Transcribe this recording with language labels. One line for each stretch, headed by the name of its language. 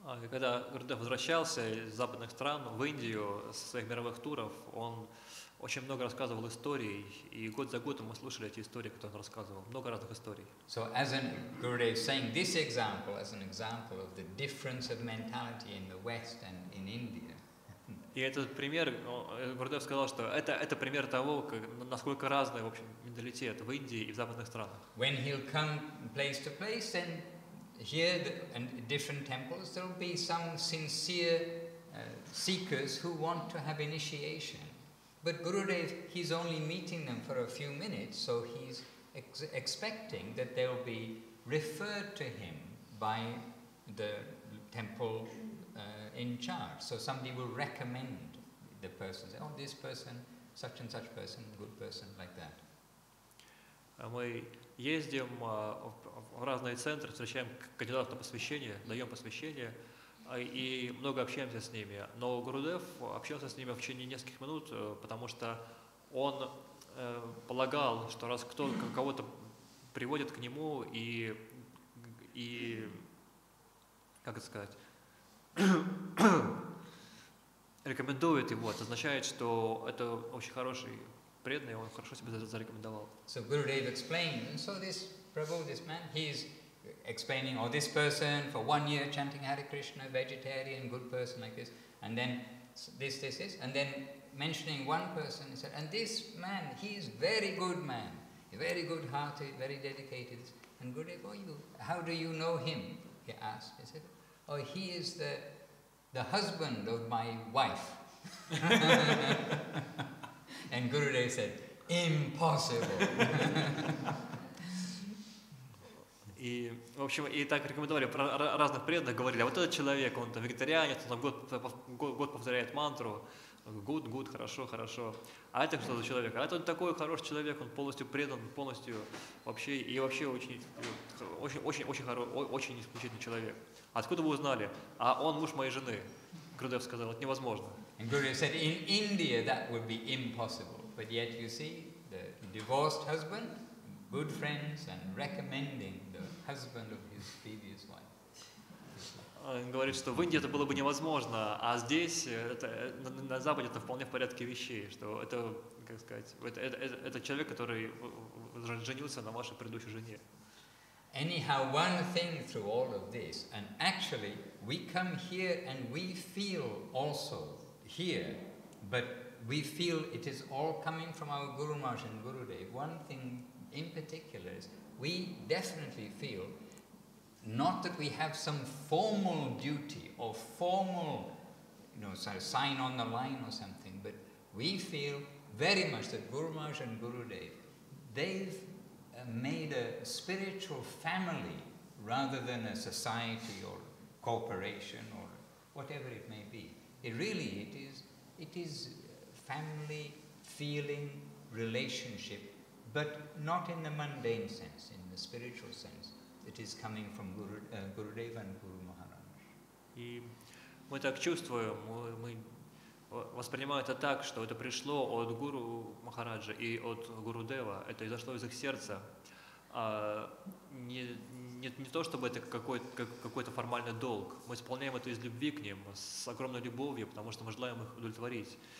Russian: Когда Гурудев возвращался из западных стран в Индию со своих мировых туров, он очень много рассказывал историй, и год за годом мы слушали эти истории, которые он рассказывал, много разных историй.
English: So as in Gurudev saying this example as an example of the difference of mentality in the West and in India.
Russian: И этот пример, Гурудев сказал, что это пример того, как, насколько разный, в общем, менталитет в Индии и в западных странах.
English: When he'll come place to place, then here in different temples, there will be some sincere seekers who want to have initiation. But Gurudev, he's only meeting them for a few minutes, so he's expecting that they'll be referred to him by the temple in charge. So somebody will recommend the person, say, oh, this person, such and such person, good person, like that.
Russian: Ездим в разные центры, встречаем кандидатов на посвящение, даем посвящение и много общаемся с ними. Но Гурудев общался с ними в течение нескольких минут, потому что он полагал, что раз кого-то приводит к нему и как это сказать, рекомендует его, это означает, что это очень хороший.
English: So Gurudev explained, and so this Prabhu, this man, he's explaining, oh, this person for 1 year chanting Hare Krishna, vegetarian, good person like this, and then this, and then mentioning one person, he said, and this man, he's very good man, very good hearted, very dedicated. And Gurudev, oh, how do you know him? He asked. He said, oh, he is the husband of my wife. And Gurudev said, "Impossible."
Russian: И в общем и так рекомендовали про разных преданных говорили. А вот этот человек, он там вегетарианец, он там год повторяет мантру,
English: good,
Russian: хорошо. А это что за человек? А это он такой хороший человек, он полностью предан, полностью вообще и вообще очень исключительный человек. Откуда вы узнали? А он муж моей жены, Гурудев сказал, это невозможно.
English: And Guru said, in India that would be impossible. But yet you see, the divorced husband, good friends, and recommending the husband of his previous wife.
Russian: Он говорит, что в Индии это было бы невозможно, а здесь, это, на Западе, это вполне в порядке вещей, что это, как сказать, это человек, который женился на вашей предыдущей жене.
English: Anyhow, one thing through all of this, and actually, we come here and we feel also here, but we feel it is all coming from our Guru Maharaj and Guru Dev. One thing in particular is, we definitely feel not that we have some formal duty or formal, you know, sort of sign on the line or something, but we feel very much that Guru Maharaj and Guru Dev, they've made a spiritual family rather than a society or corporation or whatever it may be. It is family feeling relationship, but not in the mundane sense, in the spiritual sense. It is coming from Guru Dev and Guru Maharaj.
Russian: И мы так чувствуем, мы воспринимаем это так, что это пришло от Гуру Махараджа и от Гуру Дева. Это изошло из их сердца. Не то, чтобы это какой-то формальный долг. Мы исполняем это из любви к ним, с огромной любовью, потому что мы желаем их удовлетворить.